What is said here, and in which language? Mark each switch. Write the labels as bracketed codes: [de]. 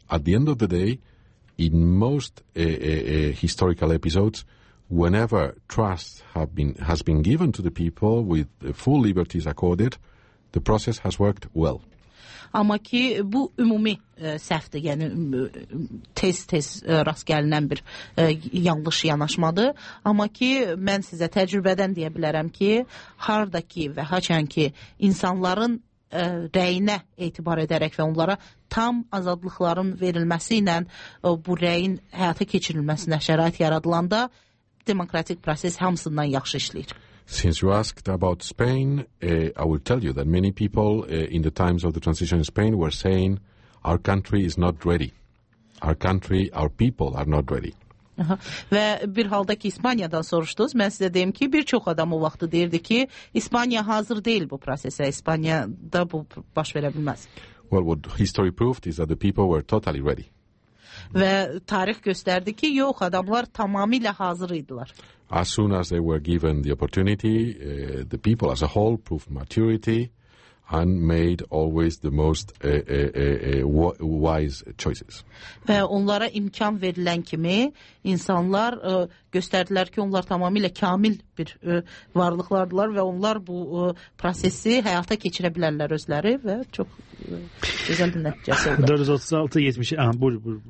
[en] At the end of the day, in most historical episodes, whenever trust has been given to the people with full liberties accorded, the process has worked well. [az] Amma ki bu ümumi səhvdir, yəni tez-tez rast gəlinən bir yanlış yanaşmadır. Amma ki mən sizə təcrübədən deyə bilərəm ki, harda ki və haçan ki insanların rəyinə etibar edərək və onlara tam azadlıqların verilməsi ilə bu rəyin həyata keçirilməsinə şərait yaradılanda demokratik proses hamısından yaxşı işləyir. [en] Since you asked about Spain, I will tell you that many people in the times of the transition in Spain were saying our country is not ready. Our country, our people are not ready. [az] Və bir halda ki İspaniyadan soruşdunuz, mən sizə deyim ki, bir çox adam o vaxtı deyirdi ki, İspaniya hazır deyil bu prosesə, İspaniyada bu baş verə bilməz. [en] Well, what history proved is that the people were totally ready. [az] Və tarix göstərdi ki, yox, adamlar tamamilə hazır idilər. [en] As soon as they were given the opportunity, the people as a whole proved maturity and made always the most wise choices. [az] Və onlara imkan verilən kimi insanlar göstərdilər ki, onlar tamamilə kamil bir varlıqlardılar və onlar bu prosesi həyata keçirə bilərlər özləri və çox gözəl bir nəticəsi oldu. 436-70.